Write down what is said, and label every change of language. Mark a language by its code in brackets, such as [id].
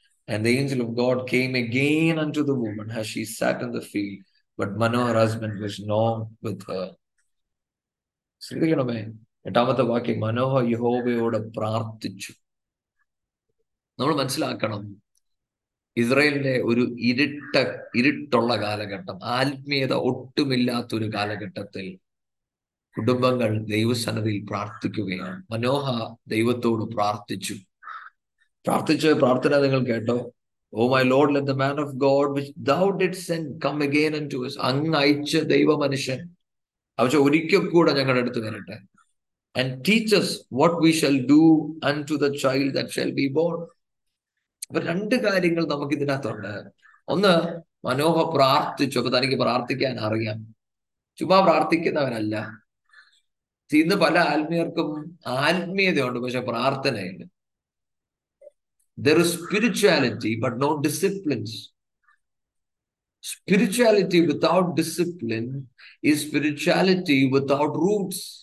[en] And the angel of God came again unto the woman as she sat in the field, but Manoah's husband was not with her. [ml] ശ്രദ്ധിക്കണമേ, എട്ടാമത്തെ വാക്യം, മനോഹ യഹോവയോട് പ്രാർത്ഥിച്ചു. നമ്മൾ മനസ്സിലാക്കണം, ഇസ്രായേലിന്റെ ഒരു ഇരുട്ടുള്ള കാലഘട്ടം, ആത്മീയത ഒട്ടുമില്ലാത്തൊരു കാലഘട്ടത്തിൽ കുടുംബങ്ങൾ ദൈവസന്നിധിയിൽ പ്രാർത്ഥിക്കുകയാണ്. മനോഹ ദൈവത്തോട് പ്രാർത്ഥിച്ചു. പ്രാർത്ഥിച്ച പ്രാർത്ഥന നിങ്ങൾ കേട്ടോ? [en] O my Lord, let the man of God which thou did send come again unto us, [ml] അങ്ങ് അയച്ച ദൈവ മനുഷ്യൻ അവശ ഒരിക്കൽ കൂടെ ഞങ്ങളുടെ അടുത്ത് വരട്ടെ. [en] And teach us what we shall do unto the child that shall be born. [ml] അപ്പൊ രണ്ട് കാര്യങ്ങൾ നമുക്ക് ഇതിനകത്തുണ്ട്. ഒന്ന്, മനോഹ പ്രാർത്ഥിച്ചു. അപ്പൊ തനിക്ക് പ്രാർത്ഥിക്കാൻ അറിയാം. ചുമ്മാ പ്രാർത്ഥിക്കുന്നവനല്ല. ഇന്ന് പല ആത്മീയർക്കും ആത്മീയതയുണ്ട്, പക്ഷെ പ്രാർത്ഥനയുണ്ട്. [en] There is spirituality but no disciplines. Spirituality without discipline is spirituality without roots.